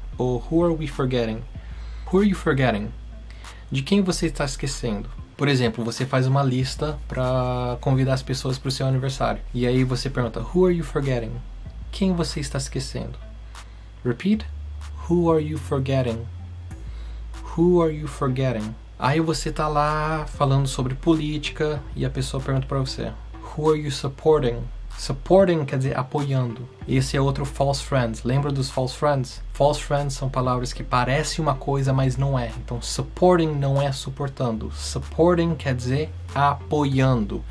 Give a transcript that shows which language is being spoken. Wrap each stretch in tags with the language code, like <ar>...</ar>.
<en>Ou who are we forgetting? Who are you forgetting?</en> <pt>De quem você está esquecendo? Por exemplo, você faz uma lista para convidar as pessoas para o seu aniversário. E aí você pergunta:</pt> <en>Who are you forgetting?</en> <pt>Quem você está esquecendo?</pt> <en>Repeat: Who are you forgetting? Who are you forgetting?</en> <pt>Aí você tá lá falando sobre política e a pessoa pergunta para você:</pt> <en>Who are you supporting?</en> <pt>Supporting quer dizer apoiando. Esse é outro false friends. Lembra dos false friends? False friends são palavras que parecem uma coisa, mas não é. Então, supporting não é suportando. Supporting quer dizer apoiando.</pt>